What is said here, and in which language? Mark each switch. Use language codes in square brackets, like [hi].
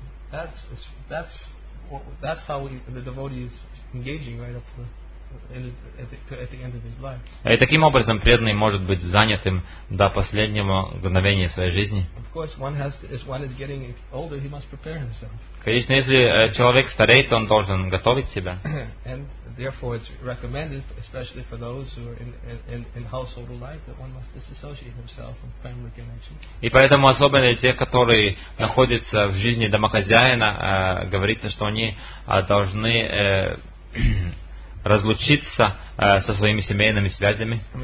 [en] That's how the devotee is engaging right up to at the end of his life. [ru] И таким образом преданный может быть занятым до последнего мгновения своей жизни. [en] Of course, as one is getting older, he must prepare himself. [ru] Конечно, если человек стареет, он должен готовить себя. [en] And therefore, it's recommended, especially for those who are in household life, that one must disassociate himself from family connections. [ru] И поэтому особенно те, которые находятся в жизни домохозяина, говорится, что они должны разлучиться со своими семейными связями.